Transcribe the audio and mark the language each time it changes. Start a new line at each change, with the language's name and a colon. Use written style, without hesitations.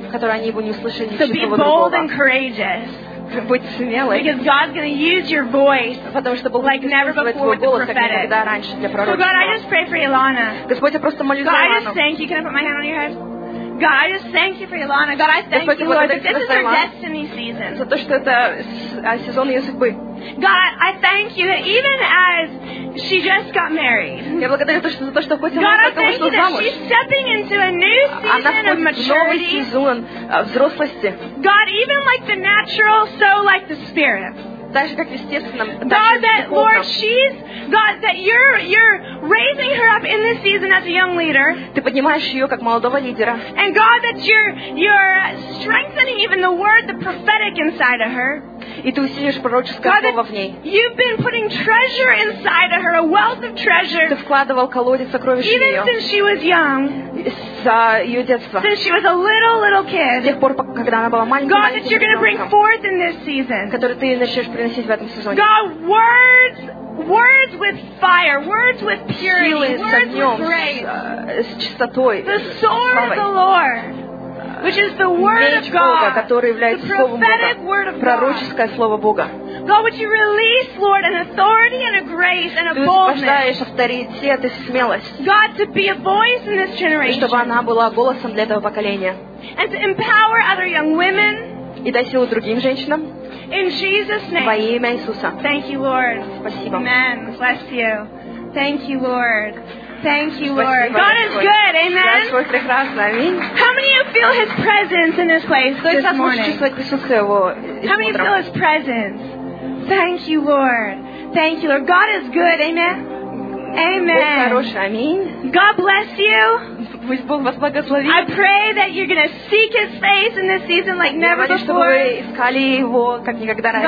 English: So be bold and courageous. Because God's going to use your voice like never before with the prophetic. So God, I just pray for Ilana. God, I just thank you. Can I put my hand on your head? God, I just thank you for Ilana. God, I thank you, Lord, that this is our destiny season.
Russian: За то, что это сезон её судьбы.
English: God, I thank you that even as she just got married.
Russian: Я благодарю то, что за то, что хоть она только что замуж.
English: She's stepping into a new season of maturity.
Russian: Она входит в новый сезон взрослости.
English: God, even like the natural, so like the spirit.
Russian: Даже как естественно.
English: God, that Lord, she's God, that you're raising her up in this season as a young leader.
Russian: Ты поднимаешь ее как молодого лидера.
English: And God, that you're strengthening even the word, the prophetic inside of her.
Russian: И ты усилишь пророческое слово в ней.
English: You've been putting treasure inside of her, a wealth of treasure.
Russian: Ты вкладывал колодец сокровищ в нее.
English: Even since she was young.
Russian: С ее детства.
English: Since she was a little kid.
Russian: С тех пор, когда она была маленькой.
English: God, that you're going to bring forth in this season.
Russian: Которые ты начнешь приносить в этом сезоне.
English: God, words with fire, words with purity, words with grace.
Russian: С чистотой.
English: The sword of the Lord. which is the word of God,
Russian: который является словом Бога, пророческое слово Бога.
English: God, would you release, Lord, an authority and a grace and a boldness? God, to be a voice in this generation.
Russian: Чтобы она была голосом для этого поколения.
English: And to empower other young women.
Russian: И дать силу другим женщинам.
English: In Jesus' name.
Russian: Во имя Иисуса.
English: Thank you, Lord.
Russian: Спасибо.
English: Amen. Bless you. Thank you, Lord. Thank you, Lord.
Russian: Спасибо,
English: God is good. Amen.
Russian: Господь прекрасный. Аминь.
English: How many of you feel His presence in this place this morning? How many of you feel His presence? Thank you, Lord. Thank you, Lord. God is good. Amen. Amen.
Russian: Бог хороший. Аминь.
English: God bless you.
Russian: Пусть Бог вас благословит.
English: I pray that you're going to seek His face in this season like never before.
Russian: Я говорю, чтобы вы искали Его, как никогда раньше.